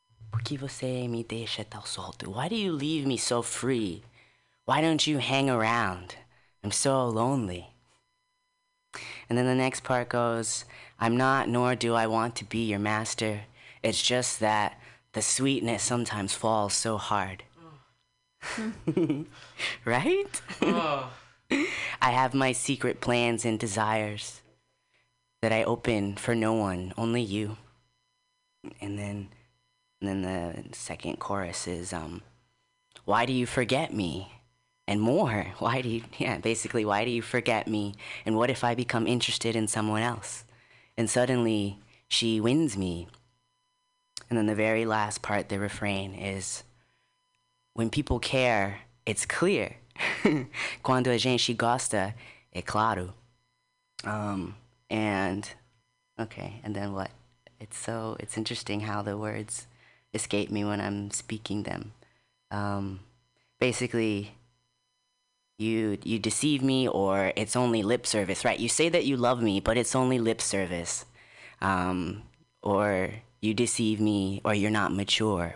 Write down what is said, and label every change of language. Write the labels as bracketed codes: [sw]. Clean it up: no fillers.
[pt] Porque você me deixa tão solto? [en] Why do you leave me so free? Why don't you hang around? I'm so lonely. And then the next part goes, I'm not, nor do I want to be your master. It's just that the sweetness sometimes falls so hard. Right? I have my secret plans and desires that I open for no one, only you. And then the second chorus is, why do you forget me? And more, why do you forget me? And what if I become interested in someone else? And suddenly she wins me. And then the very last part, the refrain, is, when people care, it's clear. [pt] Quando a gente gosta, é claro. [en] And then what? It's interesting how the words escape me when I'm speaking them. Basically, you deceive me, or it's only lip service, right? You say that you love me, but it's only lip service. Or you deceive me, or you're not mature.